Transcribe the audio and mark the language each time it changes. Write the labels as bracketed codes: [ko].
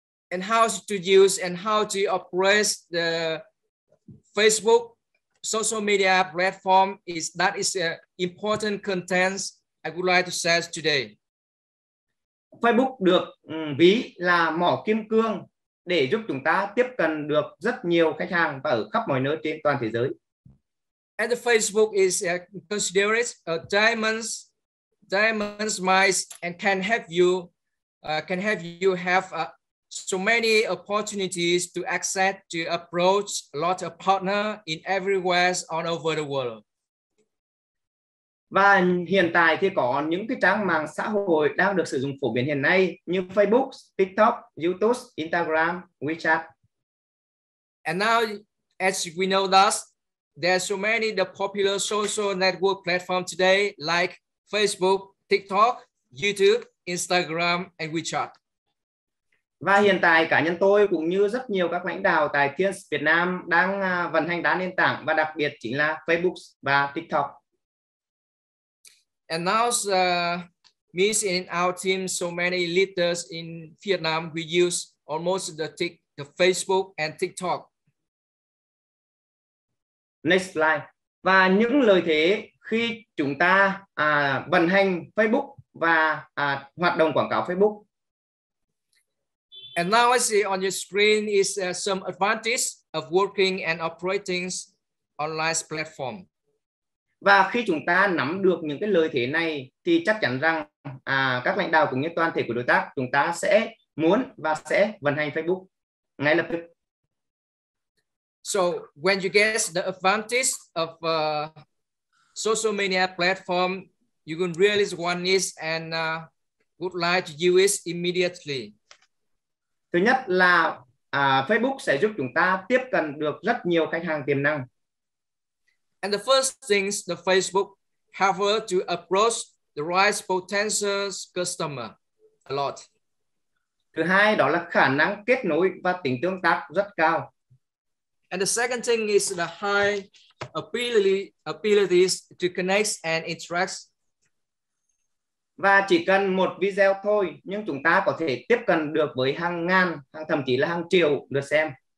[en] And how to use and how to operate the Facebook social media platform is that is an important content I would like to share today. [vi] Facebook được ví là mỏ kim cương để giúp chúng ta tiếp cận được rất nhiều khách hàng và ở khắp mọi nơi trên toàn thế giới. [en] And the Facebook is considered a diamonds mine and can have so many opportunities to access to approach a lot of partner in everywhere all over the world. [vi] Và hiện tại thì có những cái trang mạng xã hội đang được sử dụng phổ biến hiện nay như Facebook, TikTok, YouTube, Instagram, WeChat. [en] And now as we know that there are so many the popular social network platform today like Facebook, TikTok, YouTube, Instagram and WeChat. [vi] Và hiện tại cá nhân tôi cũng như rất nhiều các lãnh đạo tại Thiên Việt Nam đang vận hành đa nền tảng và đặc biệt chính là Facebook và TikTok. [en] And now me and our team so many leaders in Vietnam we use almost the Facebook and TikTok. Next slide. [vi] Và những lợi thế khi chúng ta vận hành Facebook và hoạt động quảng cáo Facebook. [en] And now I see on your screen is some advantages of working and operating online platform. [vi] Và khi chúng ta nắm được những cái lợi thế này thì chắc chắn rằng các lãnh đạo cũng như toàn thể của đối tác chúng ta sẽ muốn và sẽ vận hành Facebook ngay lập tức. [en] So when you get the advantage of social media platform, you can really want this and would like to use it immediately. [vi] Thứ nhất là Facebook sẽ giúp chúng ta tiếp cận được rất nhiều khách hàng tiềm năng. [en] And the first thing is the Facebook have to approach the right potential customer a lot. [vi] Thứ hai đó là khả năng kết nối và tính tương tác rất cao. [en] And the second thing is the high ability to connect and interact. [vi] Và chỉ cần một video thôi nhưng chúng ta có thể tiếp cận được với hàng ngàn, hàng thậm chí là hàng triệu lượt xem.